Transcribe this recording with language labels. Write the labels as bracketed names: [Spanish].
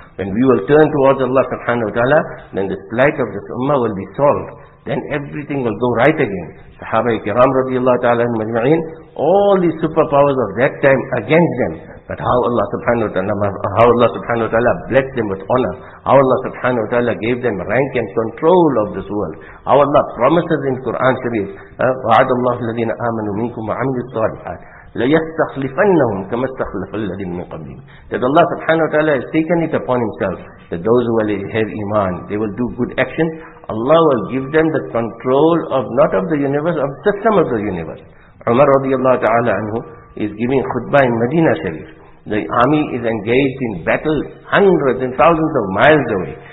[English] When we will turn towards Allah subhanahu wa ta'ala, then the plight of this ummah will be solved. Then everything will go right again. Sahaba ikram radiallahu ta'ala and majma'in, all the superpowers of that time against them. But how Allah subhanahu wa ta'ala blessed them with honor. How Allah subhanahu wa ta'ala gave them rank and control of this world. How Allah promises in Quran Sharif, [Arabic] وَعَدَ اللَّهُ الَّذِينَ آمَنُوا مِنْكُمْ وَعَمِلُوا الصَّالِحَاتِ لَيَسْتَخْلِفَنَّهُمْ كَمَا اسْتَخْلَفَ الَّذِينَ مِنْ قَبْلِهِمْ. [English] That Allah subhanahu wa ta'ala has taken it upon himself that those who have iman, they will do good actions. Allah will give them the control of not of the universe, of the system of the universe. Umar radiallahu ta'ala anhu is giving khutbah in Medina Sharif. The army is engaged in battle hundreds and thousands of miles away.